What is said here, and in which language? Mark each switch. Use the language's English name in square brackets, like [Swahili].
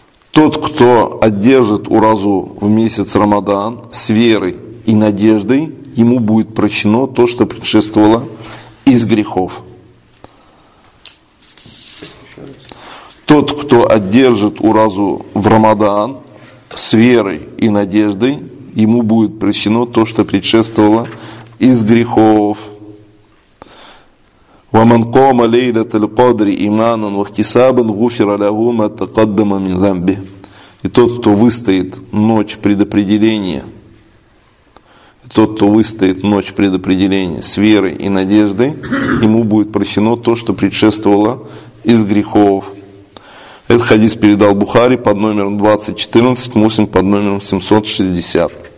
[Russian] Тот, кто одержит уразу в месяц Рамадан с верой и надеждой, ему будет прощено то, что предшествовало из грехов. Тот, кто одержит уразу в Рамадан с верой и надеждой, ему будет прощено то, что предшествовало из грехов. [Arabic] وَمَنْ قَوْمَ لَيْلَةَ الْقَدْرِ إِمَانًا وَحْتِسَابًا غُفِرَ لَهُ مَا تَقَدَّمَ مِنْ ذَنْبِهِ. [Russian] И тот, кто выстоит ночь предопределения тот, кто выстоит ночь предопределения с верой и надеждой, ему будет прощено то, что предшествовало из грехов. Этот хадис передал Бухари под номером 2014, Муслим под номером 760.